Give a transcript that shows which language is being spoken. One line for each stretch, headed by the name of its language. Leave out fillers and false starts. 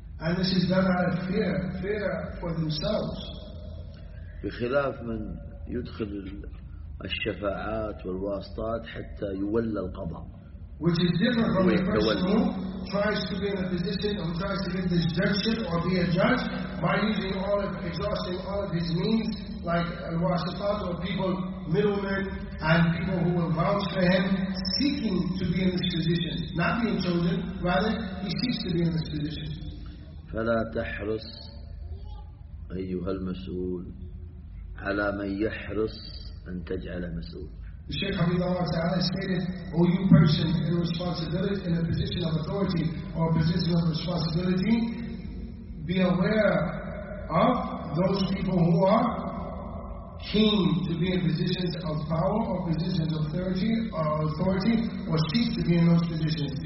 English: And this is done out of fear for themselves.
Arabic: بخلاف من يدخل الشفاعات والواسطات حتى يولى القضاء.
English: Which is different from the person who tries to be in a position or tries to get this judgeship or be a judge by using all of, exhausting all of his means, like al-wasitat or people, middlemen and people who will vouch for him, seeking to be in this position, not being chosen, rather he seeks to be in this position.
Arabic: فلا تحرص أيها المسؤول على من يحرص أن تجعل مسؤول.
English: The Shaykh Habibullah Ta'ala stated, O you person in responsibility, in a position of authority or a position of responsibility, be aware of those people who are keen to be in positions of power or positions of authority or seek to be in those positions.